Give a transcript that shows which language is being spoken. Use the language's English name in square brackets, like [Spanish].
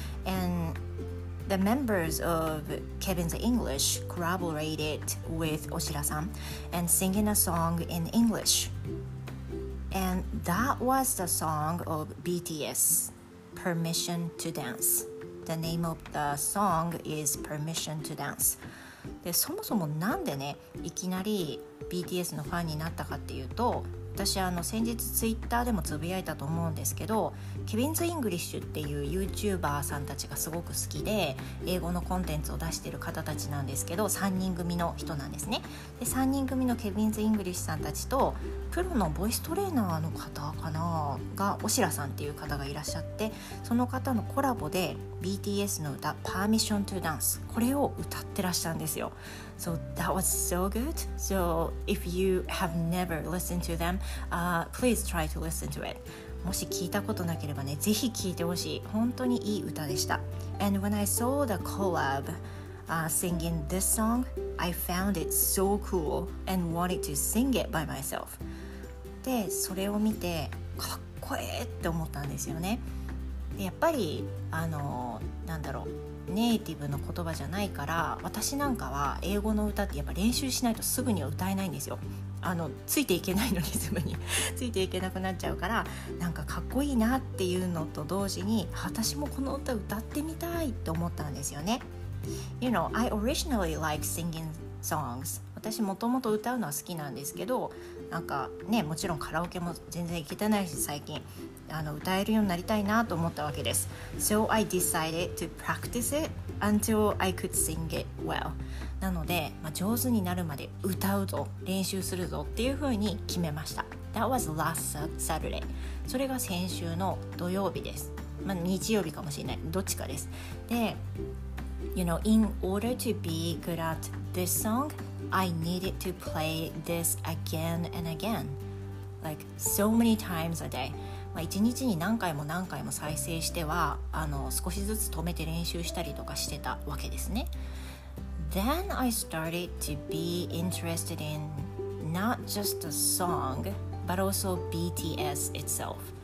[English] And the members of Kevin's English collaborated with Oshira-san and singing a song in English. And that was the song of BTS, Permission to Dance. The name of the song is Permission to Dance. [Japanese] で、そもそもなんでね、いきなり BTS のファンになったかっていうと、私先日ツイッターでもつぶやいたと思うんですけど、ケビンズ・イングリッシュっていう YouTuber さんたちがすごく好きで、英語のコンテンツを出してる方たちなんですけど、3人組の人なんですね。で、3人組のケビンズ・イングリッシュさんたちと、プロのボイストレーナーの方かな、がオシラさんっていう方がいらっしゃって、その方のコラボで BTS の歌 Permission to Dance、 これを歌ってらっしゃるんですよ。 [English] So that was so good. So if you have never listened to them, please try to listen to it. [Japanese] もし聞いたことなければね、ぜひ聞いてほしい。本当にいい歌でした。 [English] And when I saw the collab singing this song, I found it so cool and wanted to sing it by myself. [Japanese] てそれを見てかっこええって思ったんですよね。でやっぱりなんだろう、ネイティブの言葉じゃないから、私なんかは英語の歌ってやっぱ練習しないとすぐには歌えないんですよ。ついていけないのリズムについていけなくなっちゃうから、なんかかっこいいなっていうのと同時に、私もこの歌歌ってみたいって思ったんですよね。 [English] You know, I originally like singing songs. [Japanese] 私もともと歌うのは好きなんですけど、なんかね、もちろんカラオケも全然行けてないし、最近歌えるようになりたいなと思ったわけです。 [English] So I decided to practice it until I could sing it well. [Japanese] なので、上手になるまで歌うぞ、練習するぞっていう風に決めました。 [English] That was last Saturday. [Japanese] それが先週の土曜日です。日曜日かもしれない、どっちかです。 [English] で、 You know, in order to be good at this song, I needed to play this again and again. Like so many times a day. [Japanese] 1日に何回も何回も再生しては少しずつ止めて練習したりとかしてたわけですね。 [English] Then I started to be interested in not just the song but also BTS itself.